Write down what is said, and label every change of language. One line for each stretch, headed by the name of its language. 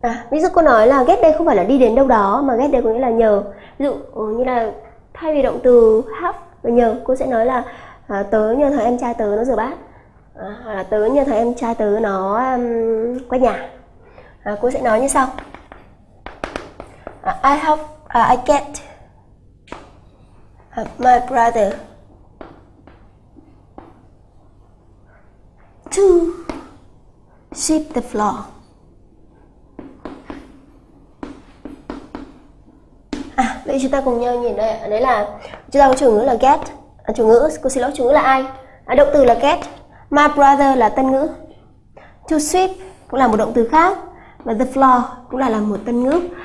Vietnamese: Ví dụ cô nói là get đây không phải là đi đến đâu đó, mà get đây có nghĩa là nhờ. Ví dụ như là thay vì động từ have và nhờ, cô sẽ nói là tớ nhờ thằng em trai tớ nó rửa bát, hoặc là tớ nhờ thằng em trai tớ nó quét nhà. Cô sẽ nói như sau.
English: I hope I get my brother to sweep the floor.
Vietnamese: À, vậy chúng ta cùng nhau nhìn đây ạ. Đấy là chúng ta có chủ ngữ là get. À, chủ ngữ, cô xin lỗi, chủ ngữ là ai? À, động từ là get. My brother là tân ngữ. To sweep cũng là một động từ khác. Và the floor cũng là một tân ngữ.